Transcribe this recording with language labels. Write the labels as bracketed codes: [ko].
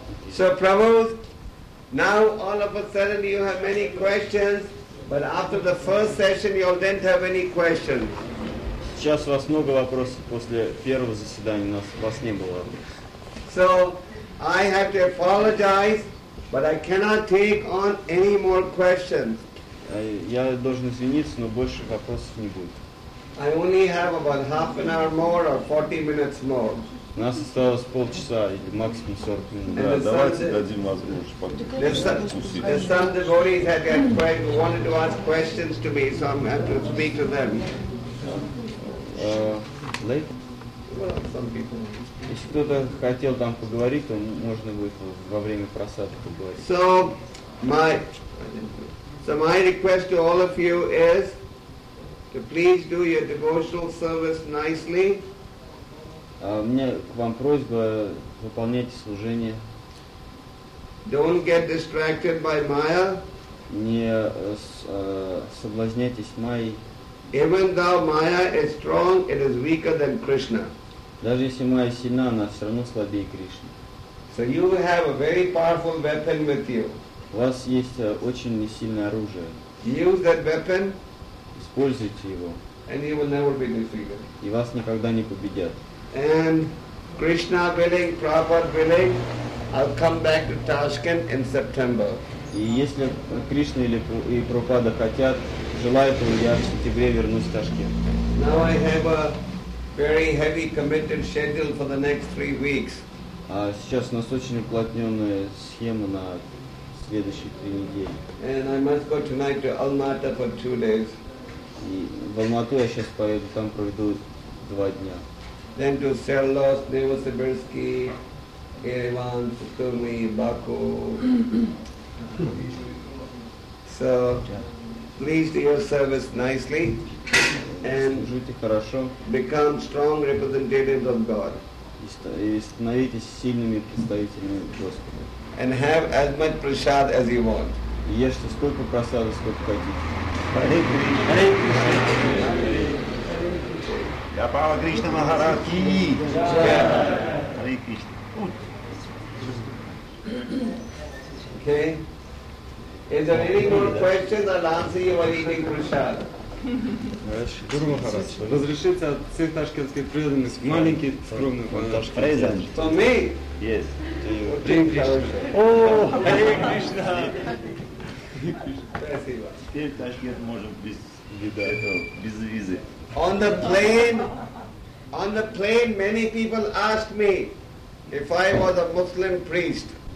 [en] So, Prabhupada, now all of a sudden you have many questions, but after the first session you didn't have any questions. [ru] Сейчас у вас много вопросов после первого заседания, у вас не было вопросов. [en] So, I have to apologize, but I cannot take on any more questions. [ru] Я должен извиниться, но больше вопросов не будет. [en] I only have about half an hour more or 40 minutes more. [ru] У нас осталось полчаса или максимум 40 минут. Да, давайте дадим возможность подключиться. [en] There's some devotees that wanted to ask questions to me, so I'm have to speak to them. Late? Some people. [ru] Если кто-то хотел там поговорить, то можно будет во время просады поговорить. [en] So my request to all of you is to please do your devotional service nicely. [ru] Мне к вам просьба, выполняйте служение. [en] Don't get distracted by Maya. [ru] Не соблазняйтесь Майей. [en] Even though Maya is strong, it is weaker than Krishna. [ru] Даже если Майя сильна, она все равно слабее Кришны. [en] So you have a very powerful weapon with you. [ru] У вас есть очень сильное оружие. [en] Use that weapon. [ru] Используйте его. [en] And he will never be defeated. [ru] И вас никогда не победят. [en] And Krishna willing, Prabhupada willing, I'll come back to Tashkent in September. [ru] И если Кришна или и Прабхупада хотят, желают, я в сентябре вернусь в Ташкент. [en] Now I have a very heavy committed schedule for the next 3 weeks. [ru] А сейчас у нас очень уплотненная схема на следующие 3 недели. [en] And I must go tonight to Almaty for 2 days. [ru] И в Алмату я сейчас поеду, там проведу 2 дня. [en] Then to Selos, Novosibirsk, Yerevan, Sutomli, Baku. So, please do your service nicely and become strong representatives of God. [ru] И становитесь сильными представителями Господа. [en] And have as much prasad as you want. [ru] Ешьте столько прасада, сколько хотите. [en] Hare Krishna. Hare Krishna. [ru] Я Пава Кришна Махарад Ки. Харе Кришна. [en] Okay. Is there any more questions? I'll answer you while eating prasad. [ru] Guru Maharaj, разрешите от всей ташкентской преданности маленький скромный вопрос. [en] Present. For me? Yes. Hare Krishna. Oh, Hare Krishna. [ru] Теперь Ташкент может без визы. [en] On the plane, many people asked me if I was a Muslim priest.